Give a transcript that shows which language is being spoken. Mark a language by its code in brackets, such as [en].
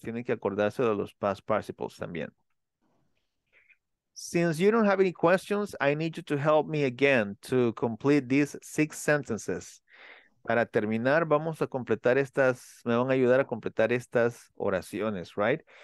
[es] Tienen que acordarse de los past participles también. [en] Since you don't have any questions, I need you to help me again to complete these six sentences. [es] Para terminar, vamos a completar estas, me van a ayudar a completar estas oraciones, right?